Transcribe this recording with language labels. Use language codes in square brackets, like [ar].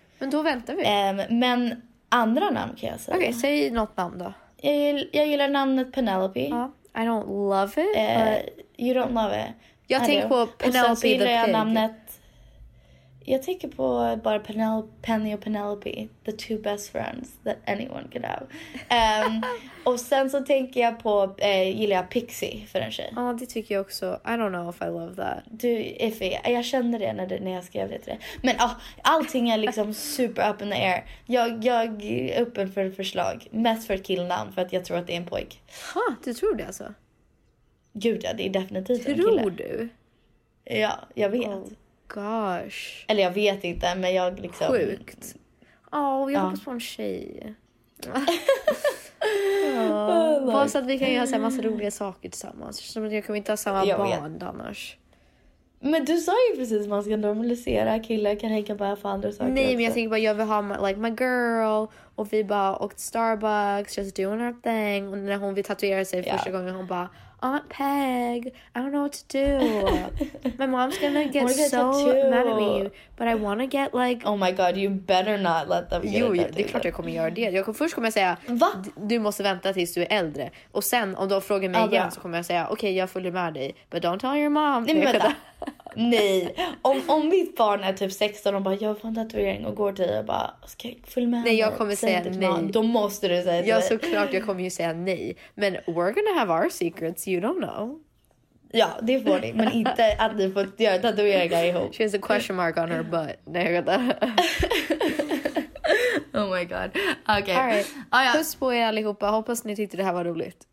[sv] Men då väntar vi. Men andra namn kan jag säga. Okej, okay, säg något namn då. Jag gillar namnet Penelope. [en] I don't love it. You don't love it. [sv] Jag tänker på Penelope the pig. Och sen så gillar jag namnet... Jag tänker på bara Penny och Penelope. [en] The two best friends that anyone could have. [sv] och sen så tänker jag på... gillar jag Pixie för en tjej. Ja, oh, det tycker jag också. [en] I don't know if I love that. [sv] Du, iffy. Jag kände det när jag skrev det till dig. Men allting är liksom [en] super up in the air. [sv] Jag är öppen för ett förslag. Mest för ett killnamn, för att jag tror att det är en pojk. Ha, du tror det alltså? Gud, ja, det är definitivt tror en kille. Tror du? Ja, jag vet. Oh. Gosh. Eller jag vet inte, men jag liksom... Sjukt. Oh, jag hoppas på en tjej. Bara så att vi kan göra en massa roliga saker tillsammans. Som att jag kommer inte ha samma barn annars. Men du sa ju precis att man ska normalisera killar. Kan hänga bara för andra saker. Nej, men jag tänker bara, jag vill ha [en] like my girl. [sv] Och vi bara åkte Starbucks, [en] just doing our thing. [sv] Och när hon vill tatuera sig första gången, hon bara... [en] Aunt Peg, I don't know what to do. My mom's gonna get so mad at me, but I wanna get like... Oh my god, you better not let them [sv] get... Jo, det är klart jag kommer göra det. Först kommer jag säga, va? Du måste vänta tills du är äldre. Och sen, om de frågar mig igen, så kommer jag säga, okej, jag följer med dig, [en] but don't tell your mom. [sv] Nej, men vänta. Nej, om mitt barn är typ 16 och bara, jag får en tatuering och går till dig och bara, ska jag följa med? Nej, jag kommer säga nej. Då måste du säga det. Ja, såklart, jag kommer ju säga nej. [en] Men we're gonna have our secrets, you don't know. [sv] Ja, det får ni. Men inte att ni får göra tatueringar ihop. [en] She has a question mark on her butt. [sv] Nej, jag vet inte. [en] Oh my god. [sv] Okej. [en] All right. [sv] Puss på er allihopa. Hoppas ni tyckte det här var roligt.